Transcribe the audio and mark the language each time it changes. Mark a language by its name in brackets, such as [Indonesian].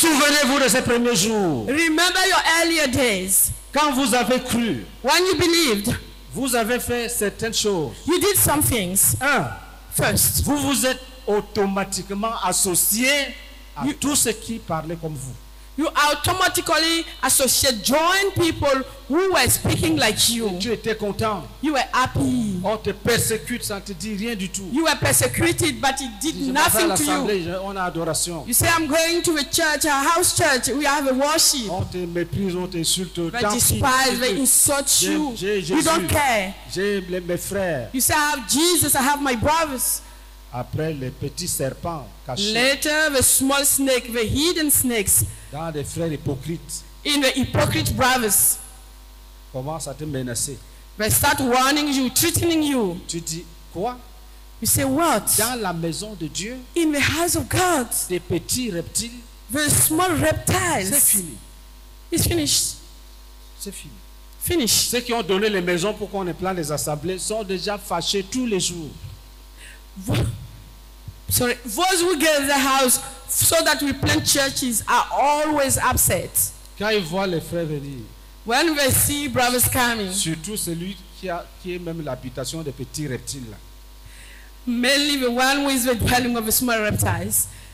[French] Souvenez-vous de ces premiers jours. [English] Remember your earlier days. [French] Quand vous avez cru, [English] when you believed, [French] vous avez fait certaines choses. [English] You did some things. First, [French] vous vous êtes automatiquement associé à tout ce qui parlait comme vous. [English] You automatically associated, joined people who were speaking like you. [French] Et tu étais content. [English] You were happy. [French] On te persécute sans te dire rien du tout. [English] You were persecuted, but it did nothing to you. [French] On a adoration. [English] You say, I'm going to a church, a house church. We have a worship. [French] On te méprise, on t'insulte. [English] They despise, they insult you. [French] J'ai [English] you don't care. [French] J'ai mes frères. [English] You say, I have Jesus, I have my brothers. [French] Après les petits serpents cachés. [English] Later, the small snake, the hidden snakes. [French] Dans des frères hypocrites. [English] In the hypocrite brothers. [French] Commence à te menacer. [English] They start warning you, threatening you. [French] Tu dis quoi? [English] You say what? [French] Dans la maison de Dieu. [English] In the house of God. [French] Des petits reptiles. [English] The small reptiles. [French] C'est fini. [English] It's finished. [French] C'est fini. [English] Finished. [French] Ceux qui ont donné les maisons pour qu'on ait plein les assemblées sont déjà fâchés tous les jours. [English] Those who gave the house so that we plant churches are always upset. [French] Quand ils voient les frères venir, [English] when they see brothers coming, [French] surtout celui qui est même l'habitation des petits reptiles, [English] mainly the one who is the dwelling of the small reptiles,